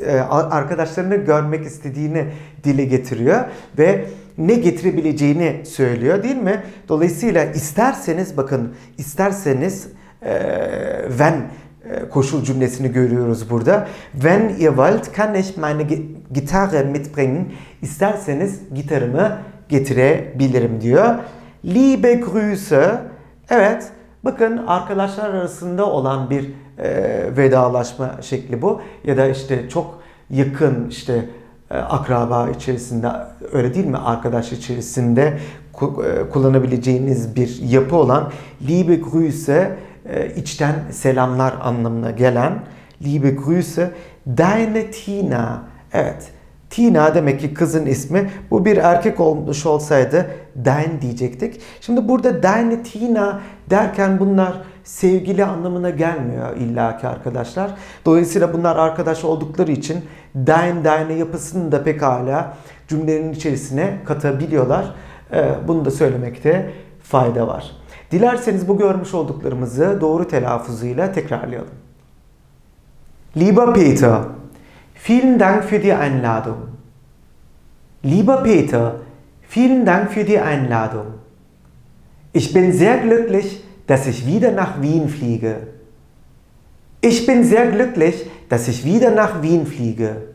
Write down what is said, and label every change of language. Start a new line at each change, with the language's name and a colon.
Turkish: Arkadaşlarını görmek istediğini dile getiriyor ve ne getirebileceğini söylüyor değil mi? Dolayısıyla isterseniz bakın isterseniz wenn koşul cümlesini görüyoruz burada.
German: Wenn ihr wollt, kann ich meine Gitarre mitbringen.
Turkish: İsterseniz gitarımı getirebilirim diyor.
German: Liebe Grüße.
Turkish: Evet, bakın arkadaşlar arasında olan bir vedalaşma şekli bu. Ya da işte çok yakın işte akraba içerisinde, öyle değil mi? Arkadaş içerisinde kullanabileceğiniz bir yapı olan
German: Liebe Grüße.
Turkish: İçten selamlar anlamına gelen
German: Liebe Grüße Deine Tina.
Turkish: Evet. Tina demek ki kızın ismi. Bu bir erkek olmuş olsaydı Dein diyecektik. Şimdi burada Deine Tina derken bunlar sevgili anlamına gelmiyor illaki arkadaşlar. Dolayısıyla bunlar arkadaş oldukları için Deine yapısını da pekala cümlenin içerisine katabiliyorlar. Bunu da söylemekte fayda var. Dilerseniz bu görmüş olduklarımızı doğru telaffuzuyla tekrarlayalım.
German: Lieber Peter, vielen Dank für die Einladung. Lieber Peter, vielen Dank für die Einladung. Ich bin sehr glücklich, dass ich wieder nach Wien fliege. Ich bin sehr glücklich, dass ich wieder nach Wien fliege.